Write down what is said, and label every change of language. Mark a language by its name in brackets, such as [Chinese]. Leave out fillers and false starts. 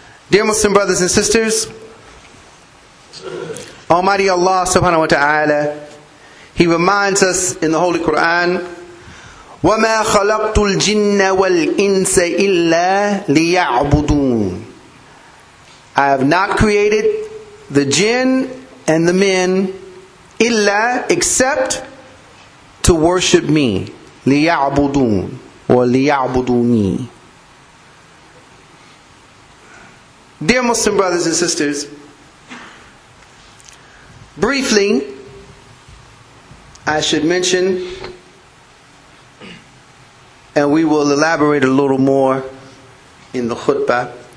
[English] Dear Muslim brothers and sisters, Almighty Allah subhanahu wa ta'ala, He reminds us in the Holy Quran, [Arabic] وَمَا خَلَقْتُ الْجِنَّ وَالْإِنسَ إِلَّا لِيَعْبُدُونَ [English] I have not created the jinn and the men إِلَّا except to worship me. [Arabic] لِيَعْبُدُونَ or لِيَعْبُدُونِي. [English] Dear Muslim brothers and sisters, briefly, I should mention, and we will elaborate a little more in the khutbah.